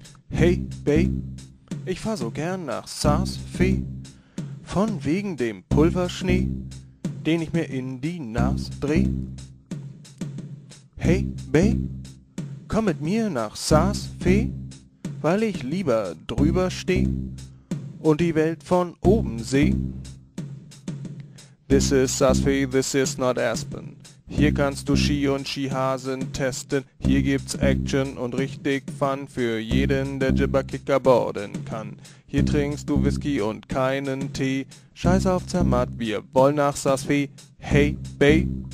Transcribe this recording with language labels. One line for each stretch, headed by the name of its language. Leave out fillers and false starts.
English: Hey, Babe,
German: ich fahr so gern nach Saas-Fee, von wegen dem Pulverschnee, den ich mir in die Nase dreh.
English: Hey, Babe,
German: komm mit mir nach Saas-Fee, weil ich lieber drüber steh und die Welt von oben seh.
English: This is Saas-Fee, this is not Aspen.
German: Hier kannst du Ski und Skihasen testen. Hier gibt's Action und richtig Fun für jeden, der Jibberkicker boarden kann. Hier trinkst du Whisky und keinen Tee. Scheiß auf Zermatt, wir wollen nach Saas-Fee. Hey, Bay!